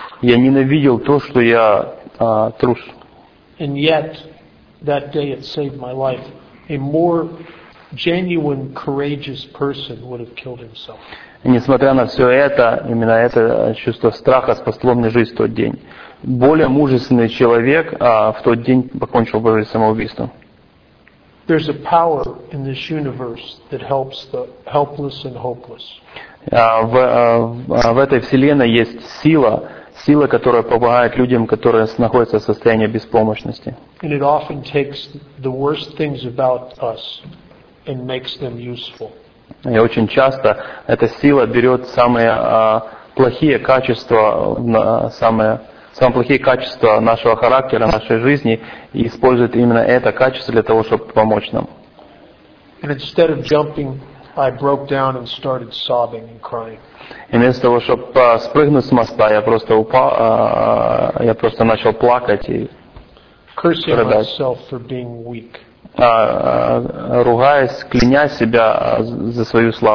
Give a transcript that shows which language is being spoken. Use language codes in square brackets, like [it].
[ru] Я ненавидел то, что я трус. [en] And yet, that day it saved my life. A more genuine, courageous person would have killed himself. [ru] Несмотря на все это, именно это чувство страха спасло мне жизнь в тот день. Более мужественный человек в тот день покончил бы жизнь самоубийством. [en] There's a power in this universe that helps the helpless and hopeless. [ru] В этой вселенной есть сила, которая помогает людям, которые находятся в состоянии беспомощности. [en] And it often takes the worst things about us and makes them useful. [ru] И очень часто эта сила берет самые плохие качества нашего характера, нашей жизни, и использует именно это качество для того, чтобы помочь нам. [en] And instead of jumping, I broke down and started sobbing and crying. [ru] И вместо того, чтобы спрыгнуть с моста, я просто упал, я просто начал плакать и [en] cursing [ru] рыдать. [en] Myself for being weak. [ru] Ругаясь, кляня себя за свою